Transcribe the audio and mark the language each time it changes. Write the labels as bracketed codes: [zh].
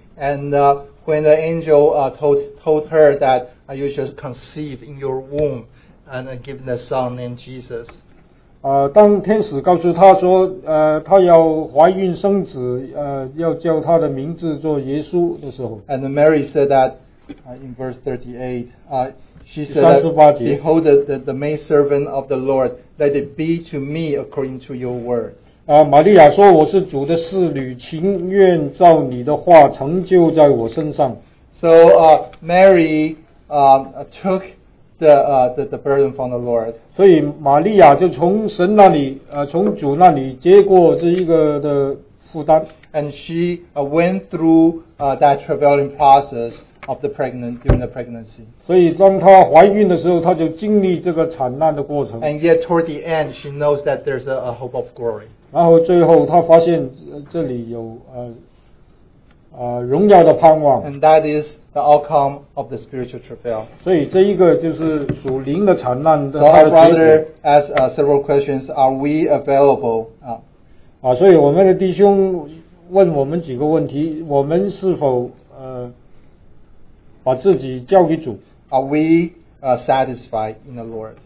[en] And when the angel told her that you should conceive in your womb and give the son named Jesus. [zh] 当天使告诉他说他要怀孕生子要叫他的名字做耶稣的时候。 [en] And Mary said that in verse 38, she said that, Behold the maidservant of the Lord, let it be to me according to your word. [zh] 玛利亚说我是主的侍女情愿照你的话成就在我身上。 [en] So Mary took the burden from the Lord. [zh] 所以玛利亚就从神那里从主那里接过这一个的负担。 [en] And she went through that traveling process of the pregnant during the pregnancy. [zh] 所以当她怀孕的时候她就经历这个惨难的过程。 [en] And yet toward the end she knows that there's a hope of glory. [zh] 然后最后她发现这里有荣耀的盼望。 [en] And that is the outcome of the spiritual travail. [zh] 所以这一个就是属灵的惨难的。 [en] So our brother asked several questions. Are we available? [zh] 所以我们的弟兄问我们几个问题。我们是否把自己交给主？ [en] Are we satisfied in the Lord?